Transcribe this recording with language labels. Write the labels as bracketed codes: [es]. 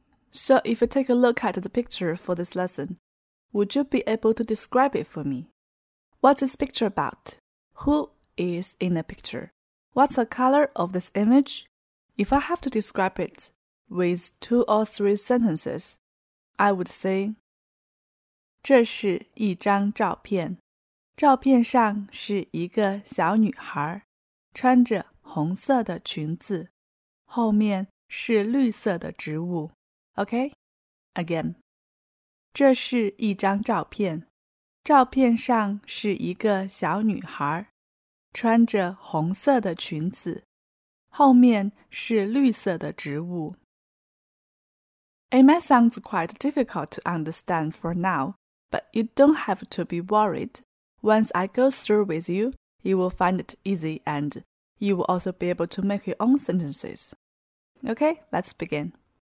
[en] So if you take a look at the picture for this lesson, would you be able to describe it for me? What's this picture about? Who is in the picture? What's the color of this image? If I have to describe it with two or three sentences, I would say, [zh] 这是一张照片。照片上是一个小女孩，穿着红色的裙子，后面是绿色的植物。 [en] OK? Again. [zh] 这是一张照片。照片上是一个小女孩，穿着红色的裙子，后面是绿色的植物。 [en] It might sound quite difficult to understand for now, but you don't have to be worried. Once I go through with you, you will find it easy and you will also be able to make your own sentences. Okay, let's begin.